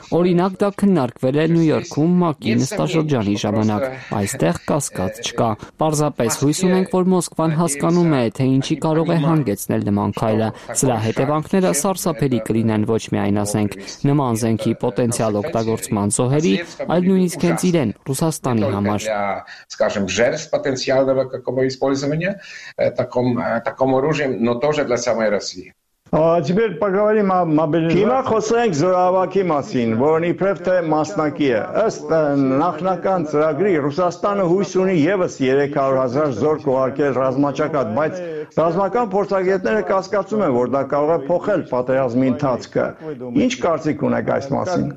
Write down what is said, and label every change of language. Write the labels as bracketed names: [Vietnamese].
[Armenian] Օրինակ դա քննարկվել է Նյու Յորքում ՄԱԿ-ի նստաշրջանի ժամանակ, այստեղ կասկած չկա։ Պարզապես հույս ունենք, որ Մոսկվան հասկանում է, թե ինչի կարող է հանգեցնել նման քայլը։ Սրա հետևանքները սարսափելի կլինեն ոչ միայն ասենք նման զենքի պոտենցիալ օգտագործման զոհերի, այլ նույնիսկ հենց իրեն, Ռուսաստանի համար։ [Russian] Скажем, жертв потенциального какого использования таком оружием, но тоже для самой России. Теперь поговорим о мобилизации. [Armenian] Հիմա խոսենք զորավարի մասին, որն իբրև թե մասնակի է։ Ըստ նախնական ծրագրի Ռուսաստանը հույս ունի եւս 300,000 զորք ուղարկել ռազմաճակատ, բայց ռազմական փորձագետները կասկածում են, որ դա կարող է փոխել պատերազմի ընթացքը։ Ինչ կարծիք ունեք այս մասին?